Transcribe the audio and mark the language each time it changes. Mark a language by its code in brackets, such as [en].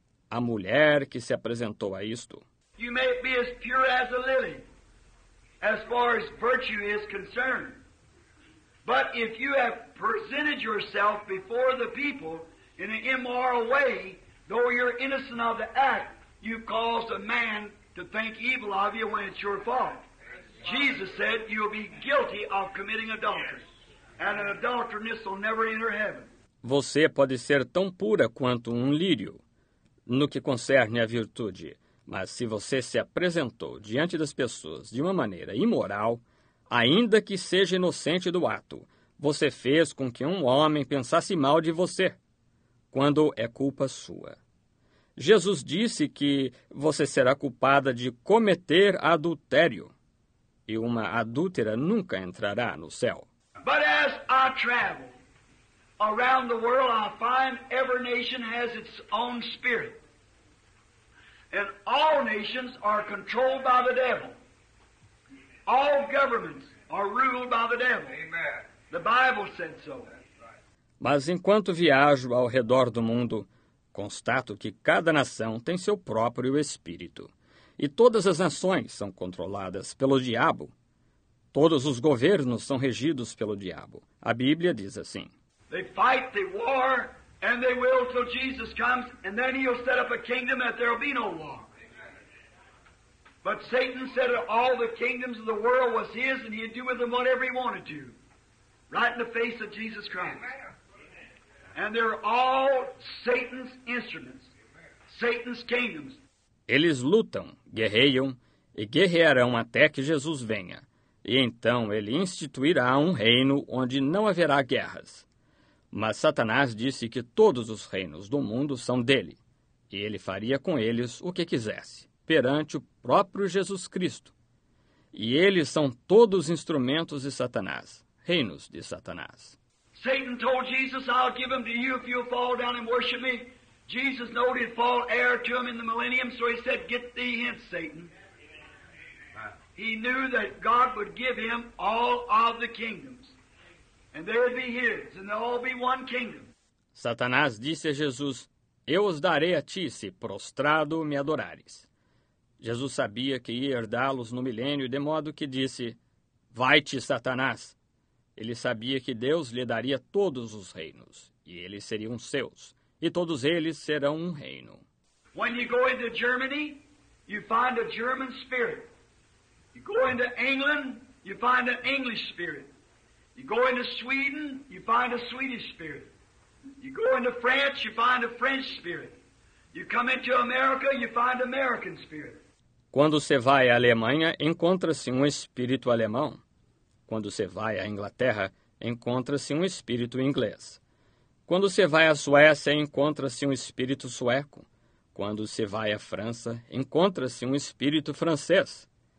[pt] A mulher que se apresentou a isto. [en] You may be as pure as a lily, as far as virtue is concerned. But if you have presented yourself before the people in an immoral way, though you're innocent of the act, you've caused a man to think evil of you when it's your fault. Jesus said you'll be guilty of committing adultery. And an adulteress will never enter heaven. [pt] Você pode ser tão pura quanto um lírio no que concerne à virtude, mas se você se apresentou diante das pessoas de uma maneira imoral, ainda que seja inocente do ato, você fez com que um homem pensasse mal de você, quando é culpa sua. Jesus disse que você será culpada de cometer adultério, e uma adúltera nunca entrará no céu. [en] But as I travel around the world, I find every nation has its own spirit. And all nations are controlled by the devil. All governments are ruled by the devil. Amen. The Bible said so. [pt] Mas enquanto viajo ao redor do mundo, constato que cada nação tem seu próprio espírito. E todas as nações são controladas pelo diabo. Todos os governos são regidos pelo diabo. A Bíblia diz assim. [en] They fight, they war, and they will till Jesus comes, and then he'll set up a kingdom that there'll be no war. But Satan said that all the kingdoms of the world was his, and he'd do with them whatever he wanted to, right in the face of Jesus Christ. And they're all Satan's instruments, Satan's kingdoms. [pt] Eles lutam, guerreiam e guerrearão até que Jesus venha. E então ele instituirá um reino onde não haverá guerras. Mas Satanás disse que todos os reinos do mundo são dele, e ele faria com eles o que quisesse, perante o próprio Jesus Cristo. E eles são todos instrumentos de Satanás, reinos de Satanás. [en] Satan told Jesus, I'll give them to you if you'll fall down and worship me. Jesus knew he'd fall heir to him in the millennium, so he said, get thee hence, Satan. He knew that God would give him all of the kingdoms, and they would be his, and they'll all be one kingdom. [pt] Satanás disse a Jesus, eu os darei a ti, se prostrado me adorares. Jesus sabia que ia herdá-los no milênio, de modo que disse, vai-te, Satanás. Ele sabia que Deus lhe daria todos os reinos, e eles seriam seus, e todos eles serão um reino. [en] When you go into Germany, you find a German spirit. You go into England, you find an English spirit. You go into Sweden, you find a Swedish spirit. You go into France, you find a French spirit. You come into America, you find American spirit. [pt] Quando você vai à Alemanha, encontra-se um espírito alemão. Quando você vai à Inglaterra, encontra-se um espírito inglês. Quando você vai à Suécia, encontra-se um espírito sueco. Quando você vai à França, encontra-se um espírito francês.